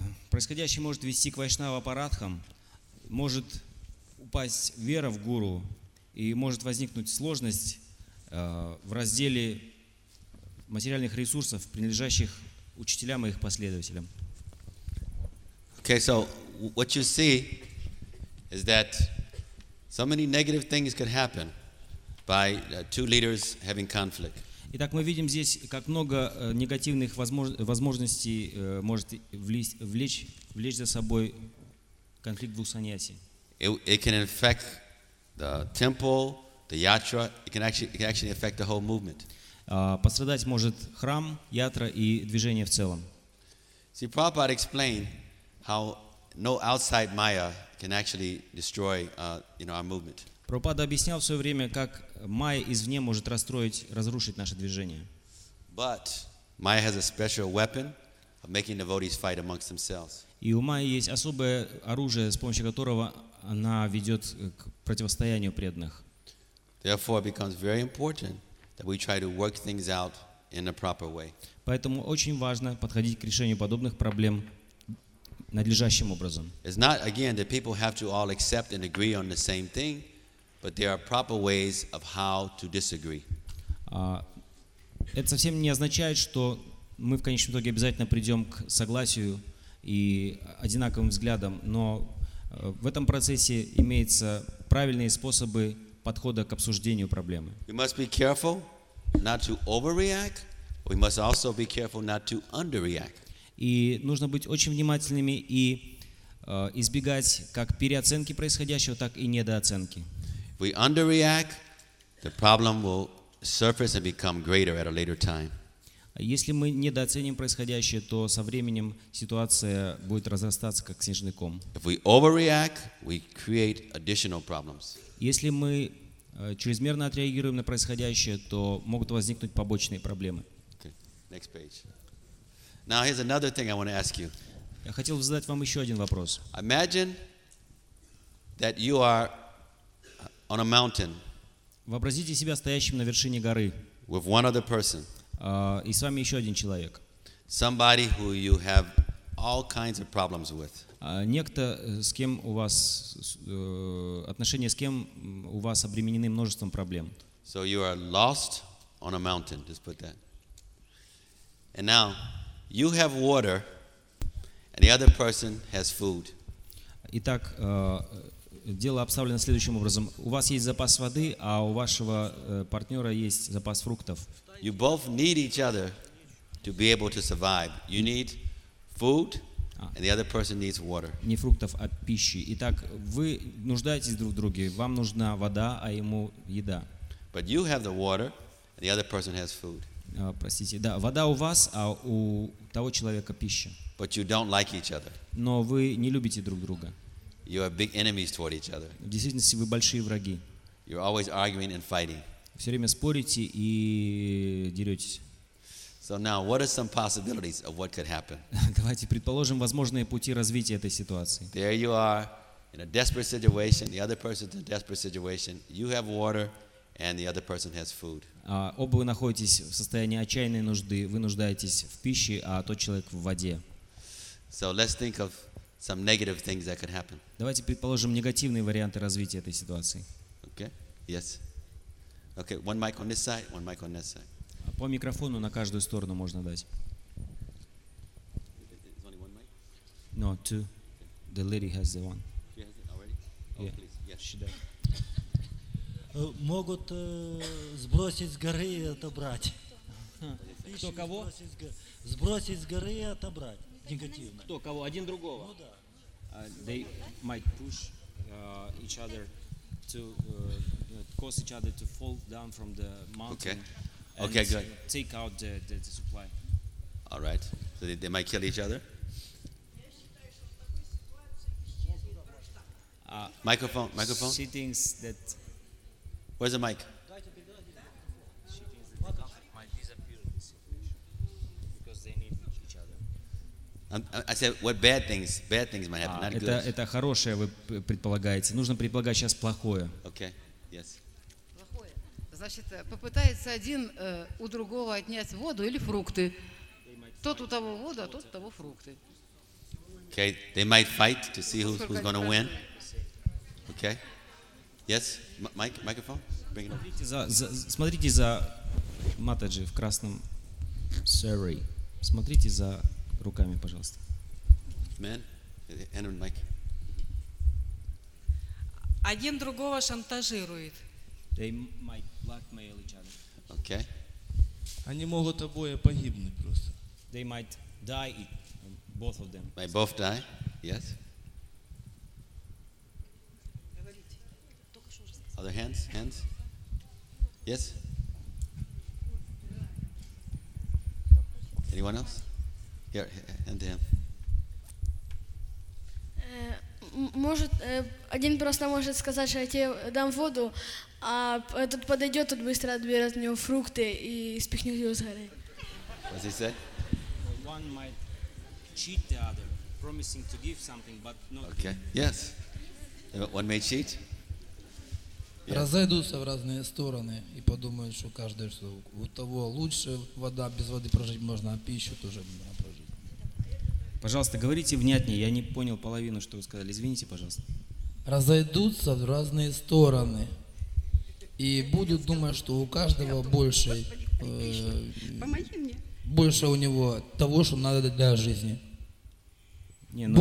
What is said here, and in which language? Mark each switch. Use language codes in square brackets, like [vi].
[ru] Происходящее может вести к вайшнава-апаратхам, может упасть вера в гуру и может возникнуть сложность в разделе материальных ресурсов, принадлежащих учителям и их последователям. [en] Okay, so what you see is that so many negative things could happen by two leaders having conflict. [ru] Итак, мы видим здесь, как много негативных возможностей может влечь за собой конфликт двух саньяси. [en] It can affect the temple, the yatra. It can actually affect the whole movement. [ru] Пострадать может храм, ятра и движение в целом. [en] See, Prabhupada explained how no outside maya can actually destroy our movement. [ru] Прабхупада объяснял в свое время, как майя извне может расстроить, разрушить наше движение. [en] But Maya has a special weapon of making devotees fight amongst themselves. [ru] И у Майи есть особое оружие, с помощью которого она ведет к противостоянию преданных. [en] Therefore, it becomes very important that we try to work things out in a proper way. [ru] Поэтому очень важно подходить к решению подобных проблем надлежащим образом. [en] It's not again that people have to all accept and agree on the same thing, but there are proper ways of how to disagree. [ru] Это совсем не означает, что мы в конечном итоге обязательно придем к согласию и одинаковым взглядам, но в этом процессе имеются правильные способы подхода к обсуждению проблемы. [en] We must be careful not to overreact. We must also be careful not to underreact. [ru] И нужно быть очень внимательными и избегать как переоценки происходящего, так и недооценки. [en] If we underreact, the problem will surface and become greater at a later time. [ru] Если мы недооценим происходящее, то со временем ситуация будет разрастаться как снежный ком. [en] If we overreact, we create additional problems. [ru] Если мы чрезмерно отреагируем на происходящее, то могут возникнуть побочные проблемы. [en] Okay. Next page. Now here's another thing I want to ask you. [ru] Я хотел бы задать вам еще один вопрос. [en] Imagine that you are on a mountain. [ru] Вообразите себя стоящим на вершине горы. [en] With one other person. [ru] И с вами еще один человек. [en] Somebody who you have all kinds of problems with. [ru] Некто, с кем у вас отношения, с кем у вас обременены множеством проблем. [en] So you are lost on a mountain. Just put that. And now you have water, and the other person has food. [ru] Итак, дело обставлено следующим образом: у вас есть запас воды, а у вашего партнера есть запас фруктов. [en] You both need each other to be able to survive. You need food, and the other person needs water. [ru] Не фруктов, а пищи. Итак, вы нуждаетесь друг в друге. Вам нужна вода, а ему еда. [en] But you have the water, and the other person has food. [ru] Простите, да, вода у вас, а у того человека пища. [en] But you don't like each other. [ru] Но вы не любите друг друга. [en] You are big enemies toward each other. [ru] В действительности вы большие враги. [en] You're always arguing and fighting. [ru] Все время спорите и деретесь. [en] So now, what are some possibilities of what could happen? [ru] Давайте предположим возможные пути развития этой ситуации. [en] There you are in a desperate situation. The other person is in a desperate situation. You have water, and the other person has food. [ru] Оба вы находитесь в состоянии отчаянной нужды. Вы нуждаетесь в пище, а тот человек в воде. [en] So let's think of some negative things that could happen. [ru] Давайте предположим негативные варианты развития этой ситуации. [en] Okay. Yes. Okay, one mic on this side, one mic on this side. [ru] По микрофону на каждую сторону можно дать. [en] Only one mic? No, two. Okay. The lady has the one. She has it already? Oh, yeah. Please. Yes, she does. [ru] Могут сбросить с горы и отобрать. Кто кого? Сбросить с горы и отобрать. Негативно. Кто кого? Один другого? Ну да. [en] They might push each other to cause each other to fall down from the mountain. Okay. And okay, good. Take out the supply. All right. So they might kill each other. Microphone. She thinks that. Where's the mic? She thinks that the conflict might disappear in this situation because they need each other. I said, what bad things? Bad things might happen. Not [ru] это, [en] good. [ru] Это хорошее вы предполагаете. Нужно предполагать сейчас плохое. [en] Okay. Yes. [ru] Плохое. Значит, попытается один у другого отнять воду или фрукты. Тот у того воду, а тот у того фрукты. [en] Okay. They might fight to see who's going to win. Okay. Yes. Microphone. Bring it up. [ru] Смотрите за Матаджи в красном. [en] Sorry. [ru] Смотрите за руками, пожалуйста. [en] Man. Hand on mic. [ru] Один другого шантажирует. [en] They might blackmail each other. Okay. [ru] Они могут обои погибнуть просто. [en] They might die, both of them. Might both die? Yes. Other hands? Hands? Yes? Anyone else? Here, hand to him. [ru] Может, один просто может сказать, что я тебе дам воду, а этот подойдет, тот быстро отберет у него фрукты и спихнет его с горы. [en] What's he say? One might cheat the other, promising to give something, but not. Okay. Yes. One may cheat. [ru] Разойдутся в разные стороны и подумают, что каждый что у того лучше вода, без воды прожить можно, а пищу тоже можно прожить. Пожалуйста, говорите внятнее, я не понял половину, что вы сказали. Извините, пожалуйста. Разойдутся в разные стороны и будут думать, что у каждого больше, больше у него того, что надо для жизни. Не, ну...